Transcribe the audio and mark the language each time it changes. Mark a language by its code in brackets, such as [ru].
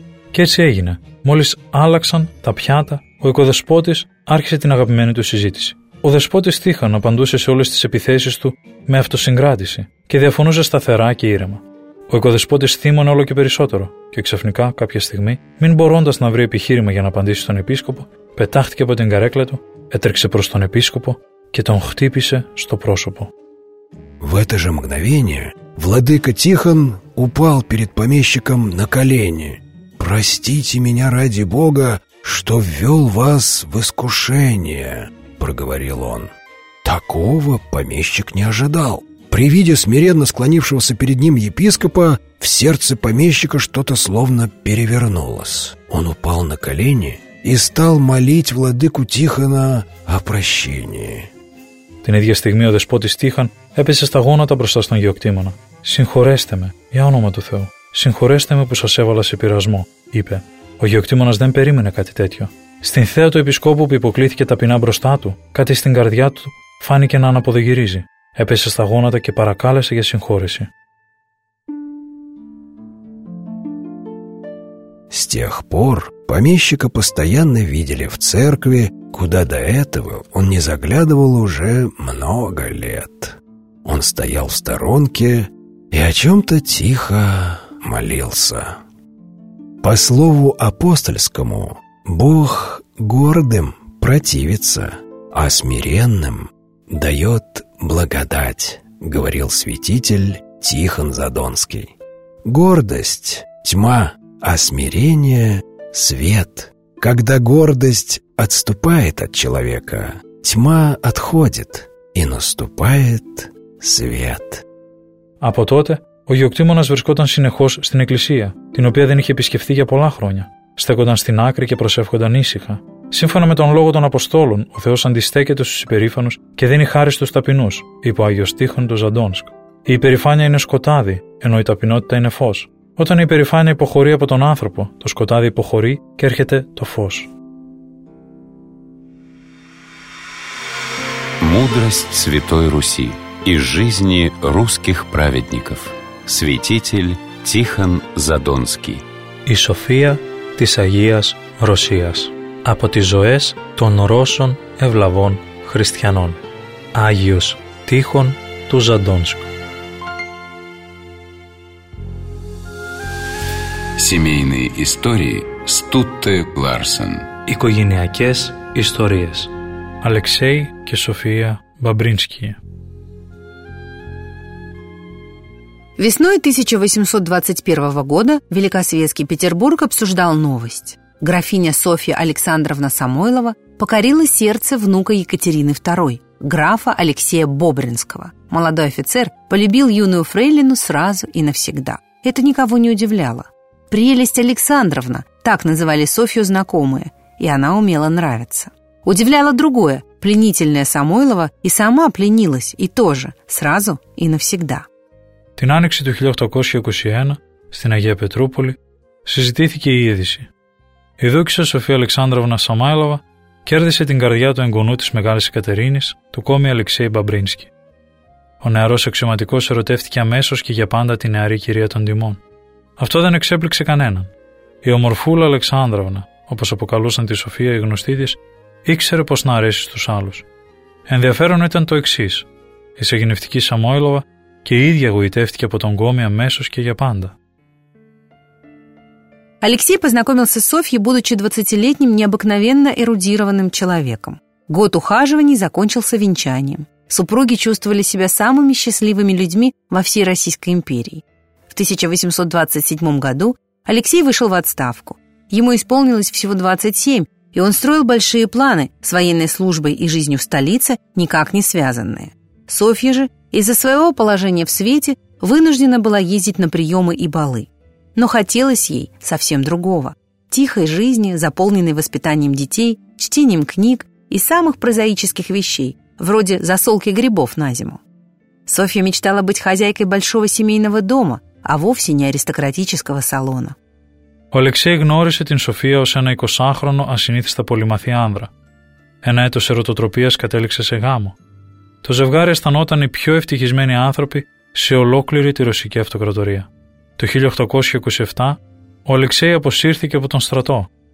[el] Και έτσι έγινε. Μόλις άλλαξαν τα πιάτα, ο οικοδεσπότης άρχισε την αγαπημένη του συζήτηση. Ο δεσπότης Τίχον απαντούσε σε όλες τις επιθέσεις του με αυτοσυγκράτηση και διαφωνούσε σταθερά και ήρεμα. Ο οικοδεσπότης θύμωνε όλο και περισσότερο και ξαφνικά, κάποια στιγμή, μην μπορώντας να βρει επιχείρημα για να απαντήσει στον επίσκοπο, πετάχτηκε από την καρέκλα του, έτρεξε προς τον επίσκοπο και τον χτύπησε στο πρόσωπο. [ru] В это же мгновение владыка Тихон упал перед помещиком на колени. «Простите меня ради Бога, что ввел вас в искушение», — проговорил он. Такого помещик не ожидал. При виде смиренно склонившегося перед ним епископа, в сердце помещика что-то словно перевернулось. Он упал на колени и стал молить владыку Тихона о прощении. [el] Την ίδια στιγμή ο δεσπότης Τίχον έπεσε στα γόνατα μπροστά στον γεωκτήμονα. «Συγχωρέστε με, για όνομα του Θεού. Συγχωρέστε με που σας έβαλα σε πειρασμό», είπε. Ο γεωκτήμονας δεν περίμενε κάτι τέτοιο. Στην θέα του επισκόπου που υποκλήθηκε ταπεινά μπροστά του, κάτι στην καρδιά του φάνηκε να αναποδογυρίζει. Έπεσε στα γόνατα και παρακάλεσε για συγχώρεση. [ru] С тех пор помещика постоянно видели в церкви, куда до этого он не заглядывал уже много лет. Он стоял в сторонке и о чем-то тихо молился. По слову апостольскому, Бог гордым противится, а смиренным дает благодать, говорил святитель Тихон Задонский. Гордость — тьма, а смирение — свет. Когда гордость отступает от человека, тьма отходит, и наступает свет. [el] Από τότε, ο Γεωκτήμονας βρισκόταν συνεχώς στην εκκλησία, την οποία δεν είχε επισκεφθεί για πολλά χρόνια. Στέκονταν στην άκρη και προσεύχονταν ήσυχα. Σύμφωνα με τον λόγο των Αποστόλων, ο Θεός αντιστέκεται στους υπερήφανους και δίνει χάρη στους ταπεινούς, είπε ο Άγιος Τίχων του Ζαντόνσκ. Η υπερηφάνεια είναι σκοτάδι, ενώ η ταπεινότητα είναι φως. Όταν η υπερηφάνεια υποχωρεί από τον άνθρωπο, το σκοτάδι υποχωρεί και έρχεται το φως. [ru] Мудрость Святой Руси из жизни русских праведников. Святитель Тихон Задонский. [el] И София της Αγίας Ρωσίας. Από τις ζωές των Ρώσων ευλαβών χριστιανών. Άγιος Τίχων του Ζαντόνσκου. [ru] Семейные истории Стутте Ларсен. [el] Οικογενειακές ιστορίες. Αλεξέη και Σοφία Бабринский. [ru] Весной 1821 года Великосветский Петербург обсуждал новость. Графиня Софья Александровна Самойлова покорила сердце внука Екатерины II, графа Алексея Бобринского. Молодой офицер полюбил юную фрейлину сразу и навсегда. Это никого не удивляло. «Прелесть Александровна» – так называли Софью знакомые, и она умела нравиться. Удивляло другое. Пленительная Самойлова и сама пленилась, и тоже, сразу и навсегда. [el] Την άνοιξη του 1821, στην Αγία Πετρούπολη, συζητήθηκε η είδηση. Η δούκισσα Σοφία Αλεξάνδροβνα Σαμάιλοβα κέρδισε την καρδιά του εγγονού της Μεγάλης Κατερίνης, του κόμι Αλεξέη Μπαμπρίνσκι. Ο νεαρός αξιωματικός ερωτεύτηκε αμέσως και για πάντα την νεαρή κυρία των Τιμών. Αυτό δεν εξέπληξε κανέναν. Η ομορφούλα Αλεξάνδροβνα, όπως αποκαλούσαν τη Σοφία οι γνωστοί της, ήξερε πως να αρέσει στους άλλους. Ενδιαφέρον ήταν το εξής. Η σεγνευτική Σαμόιλοβα και η ίδια γοητεύτηκε από τον κόμι αμέσως και για πάντα. [ru] Алексей познакомился с Софьей, будучи 20-летним необыкновенно эрудированным человеком. Год ухаживаний закончился венчанием. Супруги чувствовали себя самыми счастливыми людьми во всей Российской империи. В 1827 году Алексей вышел в отставку. Ему исполнилось всего 27, и он строил большие планы с военной службой и жизнью в столице, никак не связанные. Софья же из-за своего положения в свете вынуждена была ездить на приемы и балы. Но хотелось ей совсем другого. Тихой жизни, заполненной воспитанием детей, чтением книг и самых прозаических вещей, вроде засолки грибов на зиму. Софья мечтала быть хозяйкой большого семейного дома, а вовсе не аристократического салона. [el] Ο Алексей γνώρισε την Σοφία ως ένα 20-χρονο ασυνήθιστα πολυμαθή άνδρα. Ένα έτος ερωτοτροπίας κατέληξε σε γάμο. Το ζευγάρι αισθανόταν οι πιο ευτυχισμένοι άνθρωποι σε ολόκληρη τη Ρωσική Αυτοκρατορία. Το 1827 ο Αλεξέη αποσύρθηκε από τον στρατό.